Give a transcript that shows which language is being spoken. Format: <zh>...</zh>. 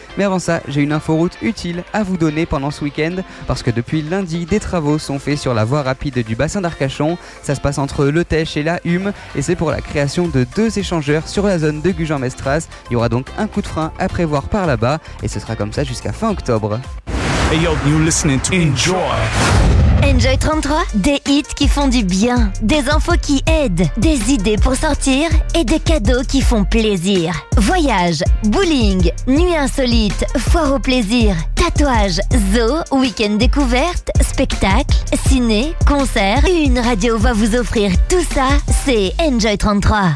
<fr>Mais avant ça, j'ai une inforoute utile à vous donner pendant ce week-end. Parce que depuis lundi, des travaux sont faits sur la voie rapide du bassin d'Arcachon. Ça se passe entre Le Teche et la Hume. Et c'est pour la création de deux échangeurs sur la zone de Gujan-Mestras. Il y aura donc un coup de frein à prévoir par là-bas. Et ce sera comme ça jusqu'à fin octobre.</fr> <en>Hey yo, you listening to Enjoy.</en> <fr>Enjoy 33, des hits qui font du bien, des infos qui aident, des idées pour sortir et des cadeaux qui font plaisir. Voyage, bowling, nuit insolite, foire au plaisir, tatouage, zoo, week-end découverte, spectacle, ciné, concert, une radio va vous offrir tout ça, c'est Enjoy 33.</fr>